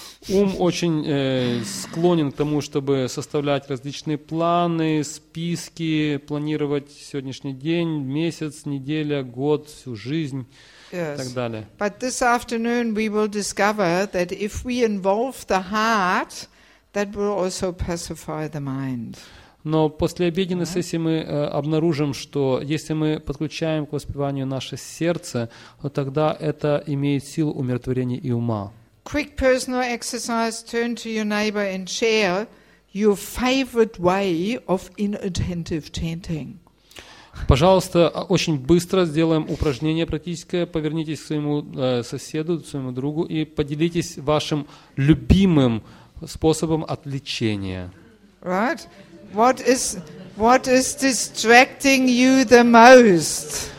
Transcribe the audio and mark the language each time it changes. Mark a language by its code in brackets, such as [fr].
[ru] Ум очень склонен к тому, чтобы составлять различные планы, списки, планировать сегодняшний день, месяц, неделя, год, всю жизнь, [en] yes, [ru] и так далее. [en] But this afternoon we will discover that if we involve the heart, that will also pacify the mind. [ru] Но после обеденной сессии мы обнаружим, что если мы подключаем к воспеванию наше сердце, то тогда это имеет силу умиротворения и ума. [en] Quick personal exercise, turn to your neighbor and share your favorite way of inattentive chanting. [ru] Пожалуйста, очень быстро сделаем упражнение практическое. Повернитесь к своему соседу, к своему другу и поделитесь вашим любимым способом отвлечения. [en] Right? What is distracting you the most?